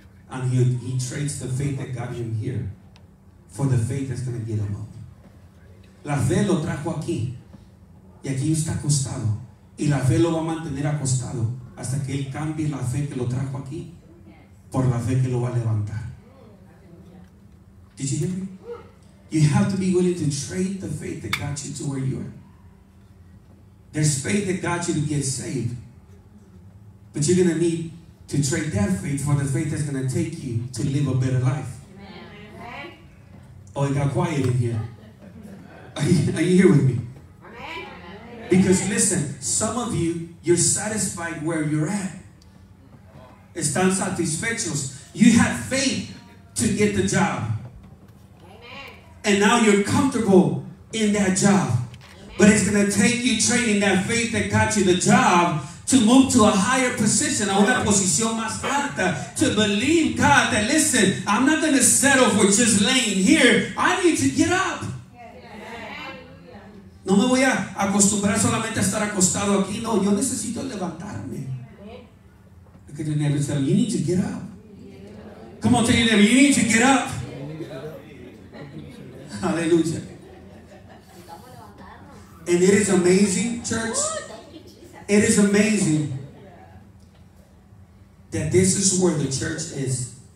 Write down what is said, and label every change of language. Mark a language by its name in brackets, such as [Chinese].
[English] And he trades the faith that got him here for the faith that's going to get him up. [Spanish] La fe lo trajo aquí. Y aquí está acostado. Y la fe lo va a mantener acostado hasta que él cambie la fe que lo trajo aquí por la fe que lo va a levantar. [English] Did you hear me? You have to be willing to trade the faith that got you to where you are. There's faith that got you to get saved. But you're going to need to trade that faith for the faith that's going to take you to live a better life. Oh, it got quiet in here. Are you here with me? Because listen, some of you, you're satisfied where you're at. [Spanish] Están satisfechos. [English] You had faith to get the job. Amen. And now you're comfortable in that job. Amen. But it's going to take you training that faith that got you the job to move to a higher position, [Spanish] a una posición más alta, [English] to believe God that, listen, I'm not going to settle for just laying here. I need to get up. [Spanish] No me voy a acostumbrar solamente a estar acostado aquí. No, yo necesito levantarme. [English] Look at your neighbor and say, you need to get up. Come on, tell your neighbor, you need to get up. Hallelujah. And it is amazing, church. It is amazing that this is where the church is.